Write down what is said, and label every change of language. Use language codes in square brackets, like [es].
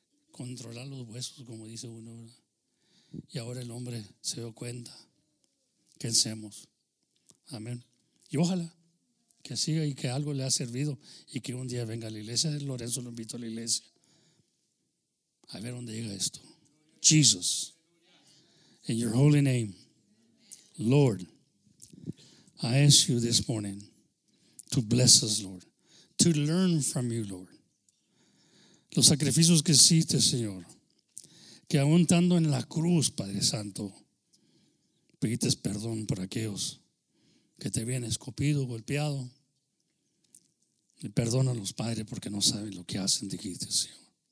[es] Controlar los huesos, como dice uno, ¿verdad? Y ahora el hombre se dio cuenta. ¿Qué hacemos? Amén. Y ojalá que siga y que algo le ha servido y que un día venga a la iglesia. Lorenzo lo invitó a la iglesia. A ver dónde llega esto. [en] Jesus, in your holy name, Lord, I ask you this morning to bless us, Lord, to learn from you, Lord. [es] Los sacrificios que hiciste, Señor, que aún estando en la cruz, Padre Santo, pediste perdón por aquellos que te habían escupido, golpeado, Y perdona a los padres porque no saben lo que hacen, dijiste, Señor.